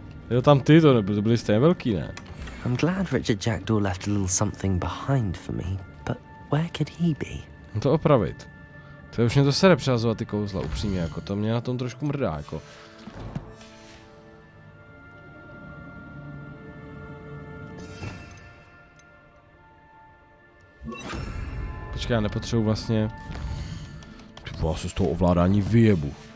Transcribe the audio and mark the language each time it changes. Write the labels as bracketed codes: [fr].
[cs] Jo, tam ty to nebyly, to byly stejně velký, ne? [en] I'm glad Richard Jackdaw left a little something behind for me, but where could he be? [cs] To opravit. To je už mě to sere přihazovat ty kouzla, upřímně, jako to mě na tom trošku mrdá, jako. Počkej, já nepotřebuji vlastně... Typo, já se z toho ovládání vyjebu.